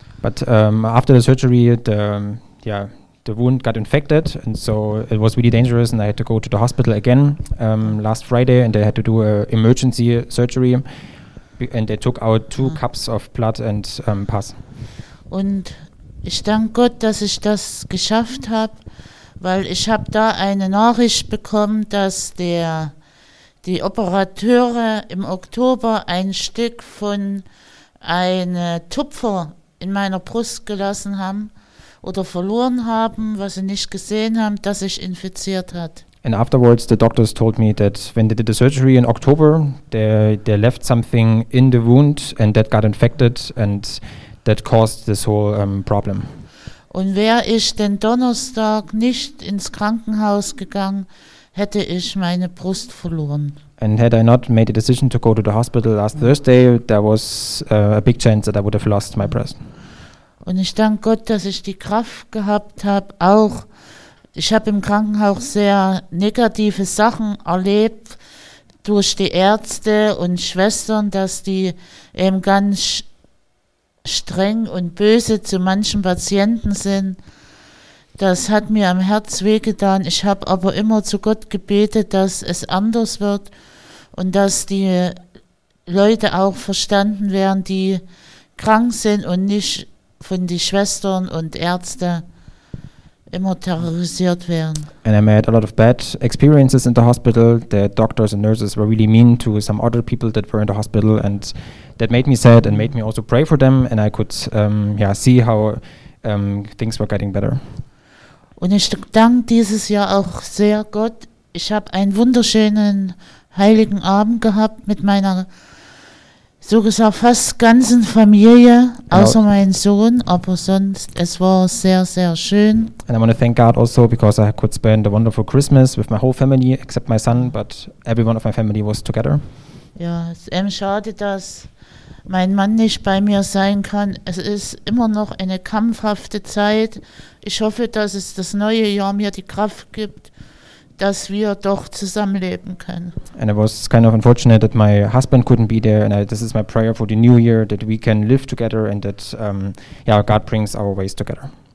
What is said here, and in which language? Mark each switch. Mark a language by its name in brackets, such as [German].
[English] But after the surgery, the wound got infected, and so it was really dangerous, and I had to go to the hospital again last Friday, and they had to do an emergency surgery, and they took out 2 cups of blood and pus. [German] Und ich danke Gott, dass ich das geschafft habe, weil ich habe da eine Nachricht bekommen, dass die Operateure im Oktober ein Stück von einem Tupfer in meiner Brust gelassen haben oder verloren haben, was sie nicht gesehen haben, dass ich infiziert hat. [English] And afterwards the doctors told me that when they did the surgery in October, they left something in the wound and that got infected and that caused this whole problem. [German] Und wäre ich den Donnerstag nicht ins Krankenhaus gegangen, hätte ich meine Brust verloren. [English] And had I not made the decision to go to the hospital last Thursday, there was a big chance that I would have lost my breast. [German] Und ich danke Gott, dass ich die Kraft gehabt habe, auch, ich habe im Krankenhaus sehr negative Sachen erlebt durch die Ärzte und Schwestern, dass die eben ganz streng und böse zu manchen Patienten sind. Das hat mir am Herz wehgetan. Ich habe aber immer zu Gott gebetet, dass es anders wird und dass die Leute auch verstanden werden, die krank sind und nicht von den Schwestern und Ärzten immer terrorisiert werden. [English] And I made a lot of bad experiences in the hospital. The doctors and nurses were really mean to some other people that were in the hospital, and that made me sad and made me also pray for them. And I could see how things were getting better. [German] Und ich danke dieses Jahr auch sehr Gott. Ich habe einen wunderschönen heiligen Abend gehabt mit meiner, so gesagt, fast ganzen Familie, außer meinem Sohn, aber sonst, es war sehr, sehr schön. [English] And I want to thank God also, because I could spend a wonderful Christmas with my whole family, except my son, but everyone of my family was together. [German] Ja, es ist schade, dass mein Mann nicht bei mir sein kann. Es ist immer noch eine kampfhafte Zeit. Ich hoffe, dass es das neue Jahr mir die Kraft gibt, dass wir doch zusammenleben können. [English] And it was kind of unfortunate that my husband couldn't be there. And this is my prayer for the new year, that we can live together and that God brings our ways together.